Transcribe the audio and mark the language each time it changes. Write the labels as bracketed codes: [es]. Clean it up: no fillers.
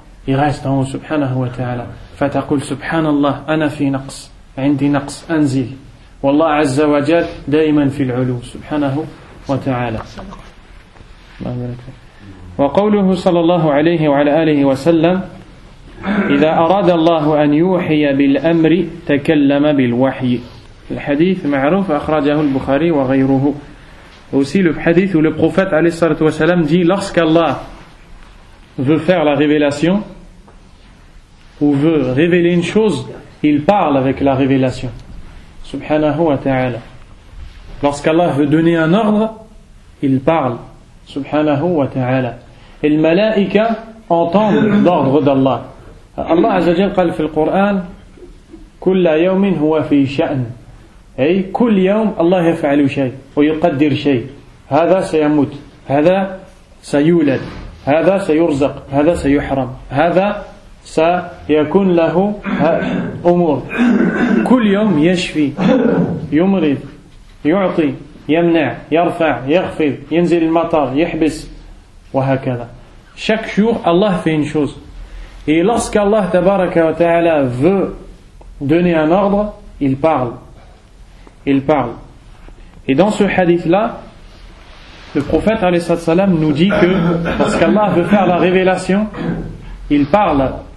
[fr] Il reste en haut, [ar] subhanahu wa ta'ala. Fataqul subhanallah, ana fi naqs, indi naqs, anzil. Wallah azza wa jal, daiman fil ulu, subhanahu wa ta'ala. Wa qawluhu sallallahu alayhi wa ala alihi wa sallam, إذا أراد الله أن يوحي بالأمر تكلم بالوحي. الحديث معروف أخرجه البخاري وغيره. [fr] Aussi le hadith où le prophète [ar] عليه الصلاة والسلام [fr] dit lorsqu'Allah veut faire la révélation ou veut révéler une chose, il parle avec la révélation. [ar] Subhanahu wa ta'ala. [fr] Lorsqu'Allah veut donner un ordre, il parle. [ar] Subhanahu wa ta'ala. [fr] Et les malaïka entendent l'ordre d'Allah. [ar] Allah عز وجل قال في القرآن كل يوم هو في شأن أي كل يوم الله يفعل شيء ويقدر شيء هذا سيموت هذا سيولد هذا سيرزق هذا سيحرم هذا سيكون له أمور كل يوم يشفي يمرض يعطي يمنع يرفع يخفض ينزل المطر يحبس وهكذا شك شور الله في [fr] une chose. Et lorsqu'Allah [ar] tabaraka wa ta'ala [fr] veut donner un ordre, il parle. Il parle. Et dans ce hadith-là, le prophète [ar] alayhi salatu wasalam [fr] nous dit que lorsqu'Allah veut faire la révélation, il parle.